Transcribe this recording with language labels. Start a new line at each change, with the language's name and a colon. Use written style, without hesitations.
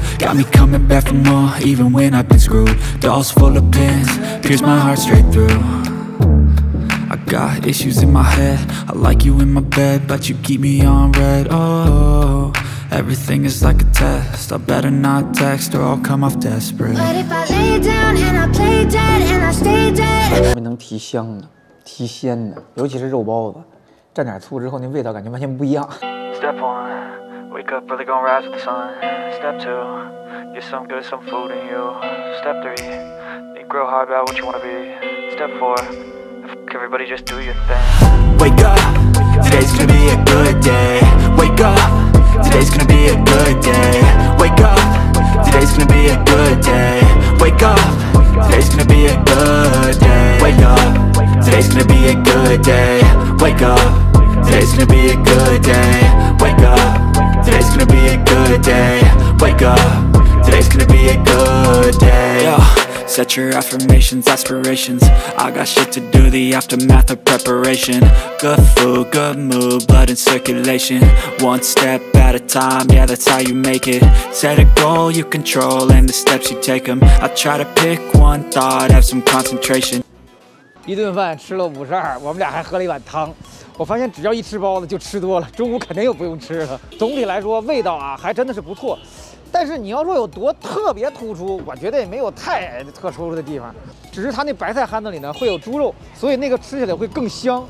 English: Got me coming back for more, even when I've been screwed. Dolls full of pins, pierce my heart straight through. I got issues in my head. I like you in my bed, but you keep me on red. Oh, everything is like a test. I better not text or I'll come off desperate. But if I lay down and I play dead and I stay dead.
Chinese: 我们能提香的，提鲜的，尤其是肉包子，蘸点醋之后，那味道感觉完全不一样。
English: Step one, wake up early, gonna rise with the sun. Step two, get some good, some food in you. Step three, think real hard about what you wanna be. Step four, fuck everybody, just do your thing. Wake up, today's gonna be a good day. Wake up, today's gonna be a good day. Wake up, today's gonna be a good day. Wake up, today's gonna be a good day. Wake up, today's gonna be a good day. Wake up. Today's gonna be a good day. Wake up. Today's gonna be a good day. Wake up. Today's gonna be a good day. Yo, set your affirmations, aspirations. I got shit to do, the aftermath of preparation. Good food, good mood, blood in circulation. One step at a time, yeah, that's how you make it. Set a goal you control and the steps you take them. I try to pick one thought, have some concentration.
Chinese: 一顿饭吃了52，我们俩还喝了一碗汤。我发现只要一吃包子就吃多了，中午肯定又不用吃了。总体来说味道啊还真的是不错，但是你要说有多特别突出，我觉得也没有太特殊的地方，只是它那白菜憨子里呢会有猪肉，所以那个吃起来会更香。